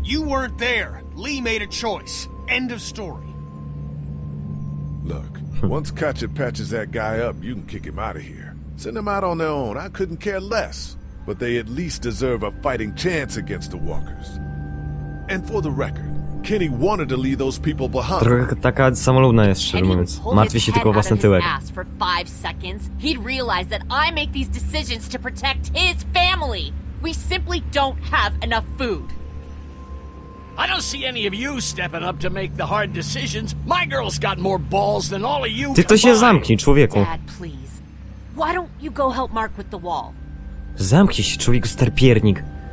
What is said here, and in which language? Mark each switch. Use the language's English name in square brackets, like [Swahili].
[English] You weren't there. Lee made a choice. End of story. Look, once Katja patches that guy up, you can kick him out of here. Send him out on their own. I couldn't care less. But they at least deserve a fighting chance against the walkers. And for the record, Kenny wanted to leave those people behind. [Polish] Trochę taka samolubna jest, szczerze mówiąc. Martwi się tylko o własny tyłek. [English] For 5 seconds, he'd realize that I make these decisions to protect his family. We simply don't have enough food. I don't see any of you stepping up to make the hard decisions. My girl's got more balls than all of you. [Polish] Ty to się zamknij, człowieku. [English] Dad, please. Why don't you go help Mark with the wall? [Polish] Zamknij się, człowieku, starpiernik.